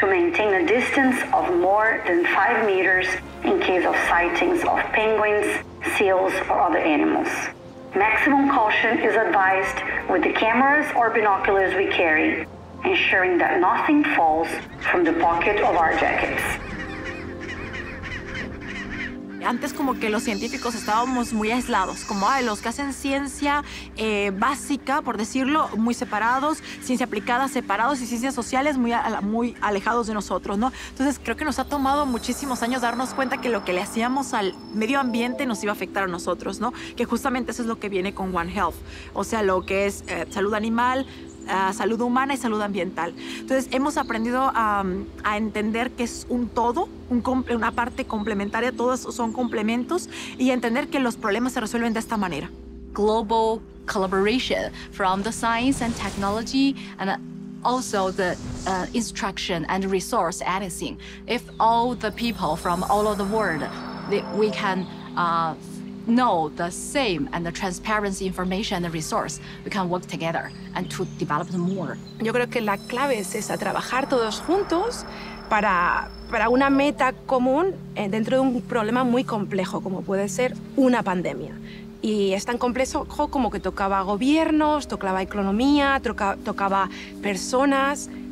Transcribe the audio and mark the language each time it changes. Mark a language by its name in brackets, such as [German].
[English] to maintain a distance of more than 5 meters in case of sightings of penguins, seals, or other animals. Maximum caution is advised with the cameras or binoculars we carry, ensuring that nothing falls from the pocket of our jackets. [Spanish] Antes como que los científicos estábamos muy aislados, como los que hacen ciencia básica, por decirlo, muy separados, ciencia aplicada separados y ciencias sociales muy alejados de nosotros, ¿no? Entonces creo que nos ha tomado muchísimos años darnos cuenta que lo que le hacíamos al medio ambiente nos iba a afectar a nosotros, ¿no? Que justamente eso es lo que viene con One Health, o sea, lo que es salud animal, salud humana y salud ambiental. Entonces, hemos aprendido a entender que es un todo, una parte complementaria, todos son complementos, y entender que los problemas se resuelven de esta manera. [English] Global collaboration from the science and technology and also the instruction and resource anything. If all the people from all over the world, we can know the same and the transparency information and the resource, we can work together and to develop more. [Spanish] Yo creo que la clave es esa, trabajar todos juntos para una meta común dentro de un problema muy complejo como puede ser una pandemia. Y es tan complejo como que tocaba gobiernos, tocaba economía, tocaba personas.